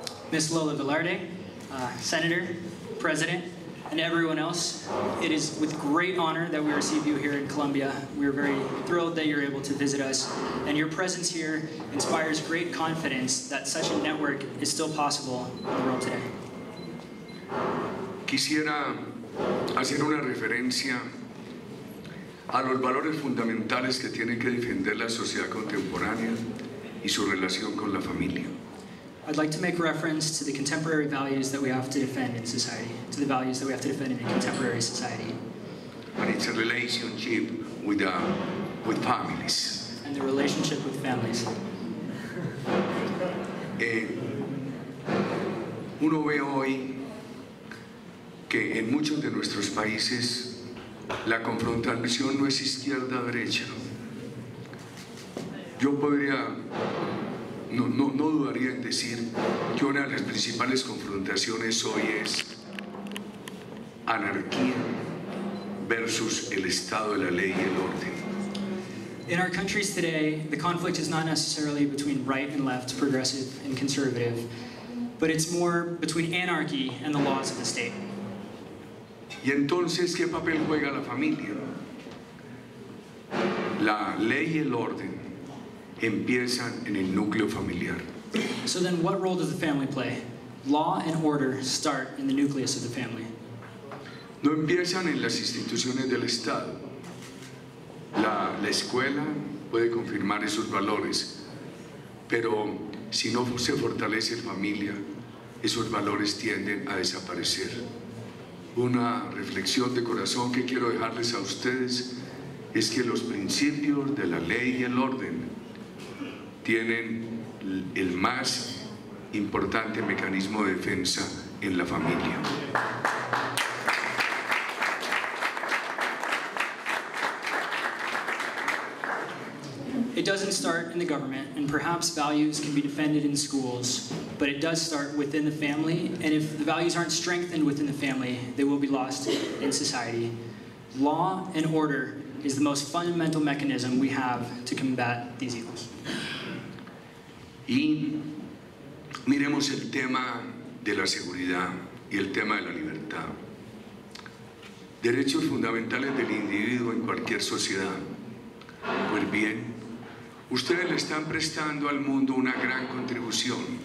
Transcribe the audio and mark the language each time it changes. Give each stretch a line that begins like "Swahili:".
English: Miss Lola Velarde, Senator, President, and everyone else, it is with great honor that we receive you here in Colombia. We are very thrilled that you're able to visit us, and your presence here inspires great confidence that such a network is still possible in the world today.
Spanish: Quisiera hacer una referencia a los valores fundamentales que tiene que defender la sociedad contemporánea y su relación con la familia.
English: I'd like to make reference to the contemporary values that we have to defend in society, to the values that we have to defend in a contemporary society. And it's a relationship with families. And the relationship with families.
Spanish: Uno ve hoy que en muchos de nuestros países la confrontación no es izquierda-derecha. Yo podría, no dudaría en decir que una de las principales confrontaciones hoy es anarquía versus el estado de la ley y el orden.
English: In our countries today, the conflict is not necessarily between right and left, progressive and conservative, but it's more between anarchy and the laws of the state.
Spanish: Y entonces, ¿qué papel juega la familia? La ley y el orden empiezan en el núcleo familiar.
English: So then, what role does the family play? Law and order start in the nucleus of the family.
Spanish: No empiezan en las instituciones del Estado. La escuela puede confirmar esos valores, pero si no se fortalece la familia, esos valores tienden a desaparecer. Una reflexión de corazón que quiero dejarles a ustedes es que los principios de la ley y el orden tienen el más importante mecanismo de defensa en la familia.
English: It doesn't start in the government, and perhaps values can be defended in schools, but it does start within the family, and if the values aren't strengthened within the family, they will be lost in society. Law and order is the most fundamental mechanism we have to combat these evils.
Spanish: Y miremos el tema de la seguridad y el tema de la libertad. Derechos fundamentales del individuo en cualquier sociedad. Pues bien, ustedes le están prestando al mundo una gran contribución.